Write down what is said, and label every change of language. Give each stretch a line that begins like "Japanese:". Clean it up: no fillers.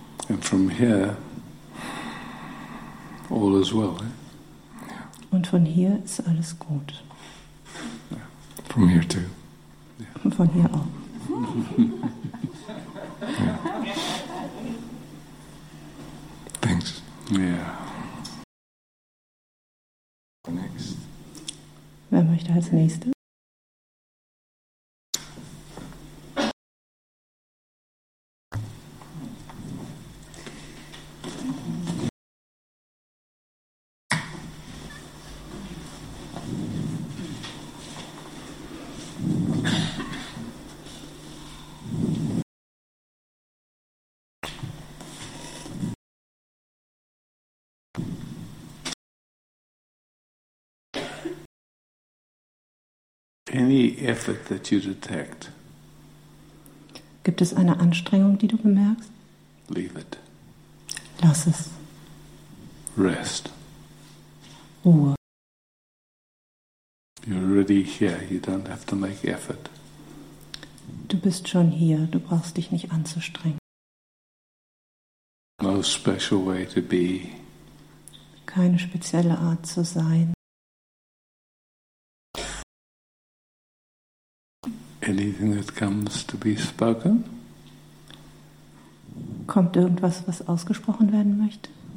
English: And from here, all is well. Eh? Yeah.
German: Und von hier ist alles gut.
English: Yeah. From here too.
German: Yeah. Und von hier auch.
English: Yeah. Thanks. Yeah. Next.
German: Wer möchte als Nächstes?
English: Any effort that you detect.
German: Gibt es eine Anstrengung, die du bemerkst?
English: Leave it.
German: Lass es.
English: Rest.
German: Ruhe.
English: You're already here. You don't have to make effort.
German: Du bist schon hier. Du brauchst dich nicht anzustrengen.
English: No special way to be.
German: Keine spezielle Art zu sein.
English: Anything that comes to be spoken?
German: Kommt irgendwas, was ausgesprochen werden möchte?